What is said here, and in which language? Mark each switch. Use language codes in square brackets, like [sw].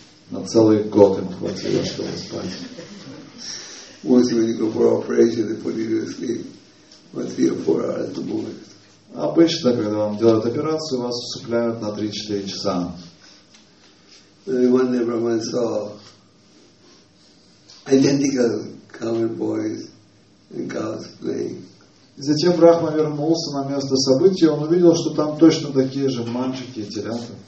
[ru] На целый год им хватило, чтобы спать. [en] Once when you go for operation, they put you to sleep for 3 or 4 hours at the moment. [ru] Обычно, когда вам делают операцию, вас усыпляют на 3-4 часа. [en] One day Brahman saw identical cowherd boys and cows playing. [ru] И затем Брахма вернулся на место события, он увидел, что там точно такие же мальчики и телята.